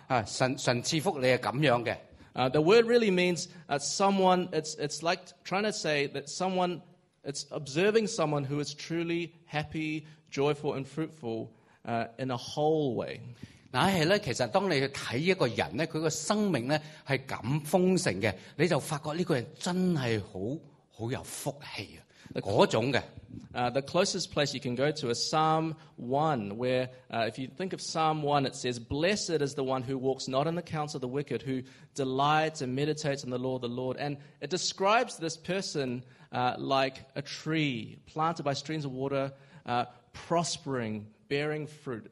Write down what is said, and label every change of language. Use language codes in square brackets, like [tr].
[zh] 在马太福音里面这个所谓有福，就不是好像一个宣告，神赐福你是这样的。 [en] The word really means someone, it's like trying to say that someone, it's observing someone who is truly happy, joyful and fruitful in a whole way. [zh] 但是其实当你去看一个人，他的生命是这么丰盛的，你就发觉这个人真的很有福气。 [en] The closest place you can go to is Psalm 1, where if you think of Psalm 1, it says, "Blessed is the one who walks not in the counsel of the wicked, who delights and meditates in the law of the Lord." And it describes this person like a tree planted by streams of water, prospering, bearing fruit.